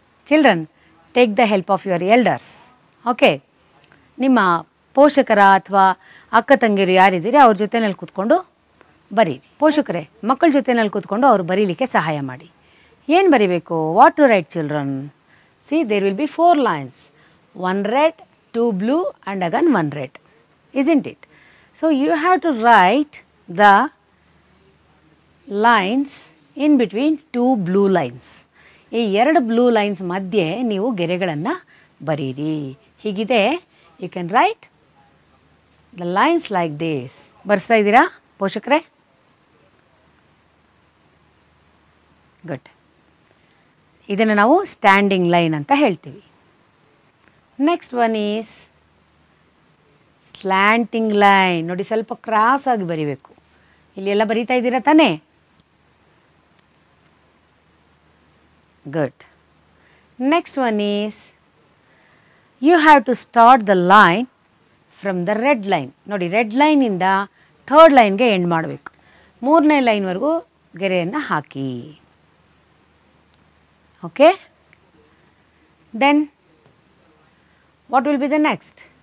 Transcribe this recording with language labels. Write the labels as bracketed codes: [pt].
[en] Children, take the help of your elders. [kn] Okay, ನಿಮ್ಮ ಪೋಷಕರ ಅಥವಾ ಅಕ್ಕ ತಂಗಿಯರು ಯಾರಿದ್ದೀರಿ ಅವ್ರ ಜೊತೆನಲ್ಲಿ ಕೂತ್ಕೊಂಡು ಬರೀರಿ. ಪೋಷಕರೇ ಮಕ್ಕಳ ಜೊತೆನಲ್ಲಿ ಕೂತ್ಕೊಂಡು ಅವ್ರು ಬರೀಲಿಕ್ಕೆ ಸಹಾಯ ಮಾಡಿ. ಏನು ಬರೀಬೇಕು? [en] What to write children? See, there will be 4 lines. 1 red, 2 blue and again 1 red. Isn't it? So you have to write the lines in between 2 blue lines. [kn] ಈ 2 blue lines ಮಧ್ಯೆ ನೀವು ಗೆರೆಗಳನ್ನು ಬರೀರಿ. ಹೀಗಿದೆ, [en] You can write the lines like these. [kn] ಬರೆಸ್ತಾ ಇದ್ದೀರಾ ಪೋಷಕರೇ? Good. ಇದನ್ನು ನಾವು standing line ಅಂತ ಹೇಳ್ತೀವಿ. [en] Next one is slanting line. [kn] ನೋಡಿ, ಸ್ವಲ್ಪ ಕ್ರಾಸ್ ಆಗಿ ಬರೀಬೇಕು. ಇಲ್ಲಿ ಎಲ್ಲ ಬರೀತಾ ಇದ್ದೀರಾ ತಾನೇ? [en] Good. Next one is you have to start the line from the red line. [kn] ನೋಡಿ, ರೆಡ್ ಲೈನಿಂದ 3rd lineಗೆ ಎಂಡ್ ಮಾಡಬೇಕು. 3rd lineವರೆಗೂ ಗೆರೆಯನ್ನು ಹಾಕಿ. [en] Okay, then what will be the next?